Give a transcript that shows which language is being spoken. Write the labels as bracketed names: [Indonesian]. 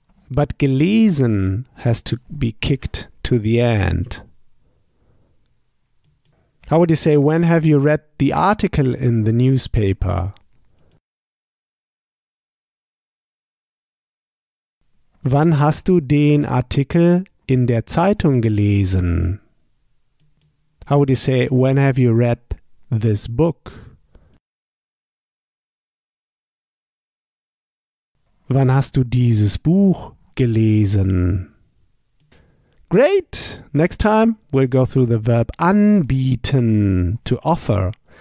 [English] But gelesen has to be kicked to the end. How would you say, when have you read the article in the newspaper? [German] Wann hast du den Artikel in der Zeitung gelesen? [English] How would you say, when have you read this book? [German] Wann hast du dieses Buch gelesen? [English] Great! Next time we'll go through the verb anbieten, to offer.